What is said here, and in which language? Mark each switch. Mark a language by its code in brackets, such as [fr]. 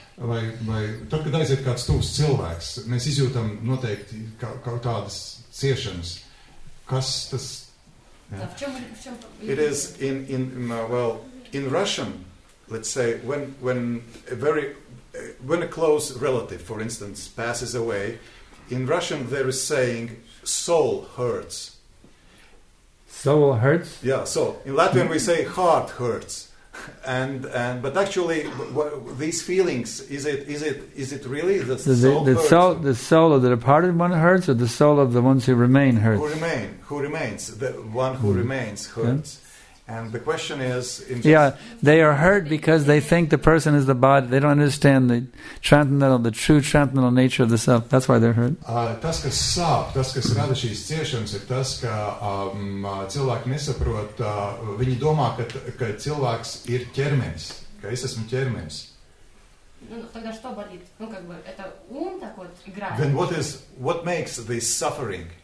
[lv] Vai tad, kad aiziet kāds tūs cilvēks, mēs izjūtam noteikti kaut tādas ciešanas. Kas tas? [en] Yeah. It is in Russian, let's say, when a close relative, for instance, passes away, in Russian there is saying, soul hurts. Soul hurts? Yeah, so in Latvian we say heart hurts. And but actually these feelings is it really the soul of the departed one hurts or the soul of the ones who remain hurts? Who remains the one who remains hurts. Yeah. And the question is they are hurt because they think the person is the body. They don't understand the true transcendental nature of the self. That's why they're hurt. [lv] Tas, kas sāp, tas, kas rada šīs ciešanas, ir tas, ka cilvēki nesaprot, viņi domā, ka cilvēks ir ķermenis, ka es esmu ķermenis. [en] Then what makes this suffering?